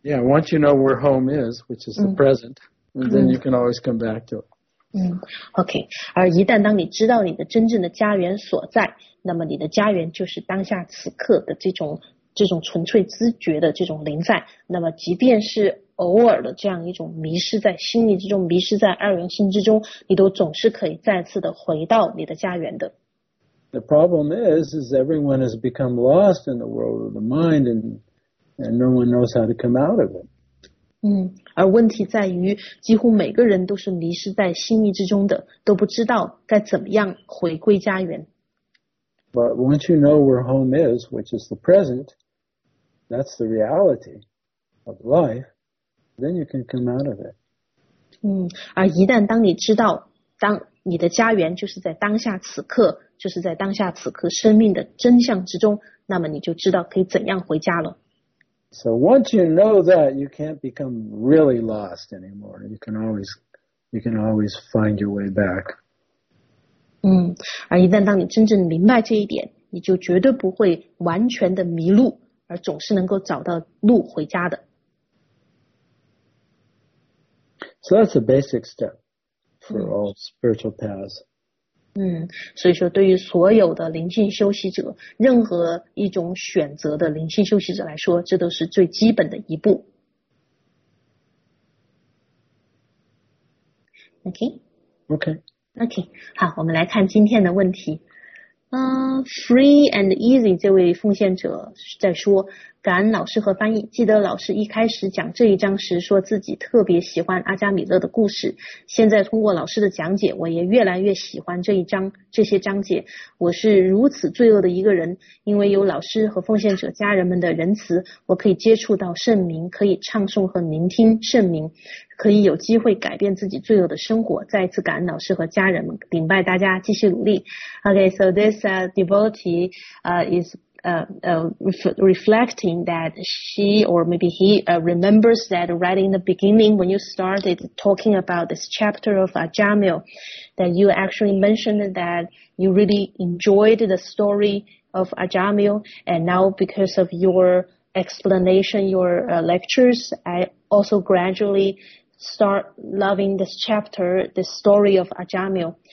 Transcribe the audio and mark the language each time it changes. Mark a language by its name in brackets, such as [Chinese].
[English] Yeah, once you know where home is, which is the present, then you can always come back to it. Okay. [Chinese] 而一旦当你知道你的真正的家园所在，那么你的家园就是当下此刻的这种纯粹知觉的这种临在。那么即便是偶尔的这样一种迷失在心意之中，迷失在二元性之中，你都总是可以再次的回到你的家园的。 [English] The problem is everyone has become lost in the world of the mind, and no one knows how to come out of it. [Chinese] 而问题在于，几乎每个人都是迷失在心意之中的，都不知道该怎么样回归家园。 [English] But once you know where home is, which is the present, that's the reality of life. Then you can come out of it. [Chinese] 而一旦当你知道，当你的家园就是在当下此刻，就是在当下此刻生命的真相之中，那么你就知道可以怎样回家了。 [English] So once you know that, you can't become really lost anymore. You can always you can always find your way back. [Chinese] 嗯，而一旦当你真正明白这一点，你就绝对不会完全的迷路，而总是能够找到路回家的。 [English] So that's a basic step for all spiritual paths. [Chinese] 嗯，所以说对于所有的灵性修习者，任何一种选择的灵性修习者来说，这都是最基本的一步。 [English] OK. [Chinese] 好，我们来看今天的问题。Free and easy 这位奉献者在说，感恩老师和翻译，记得老师一开始讲这一章时说自己特别喜欢阿加米勒的故事，现在通过老师的讲解，我也越来越喜欢这一章这些章节。我是如此罪恶的一个人，因为有老师和奉献者家人们的仁慈，我可以接触到圣名，可以唱诵和聆听圣名，可以有机会改变自己罪恶的生活。再一次感恩老师和家人们，顶拜大家继续努力。 [English] OK, so this devotee isreflecting that she or maybe he remembers that right in the beginning when you started talking about this chapter of Ajamil, that you actually mentioned that you really enjoyed the story of Ajamil, and now because of your explanation, your lectures, I also gradually start loving this chapter, the story of Ajamil.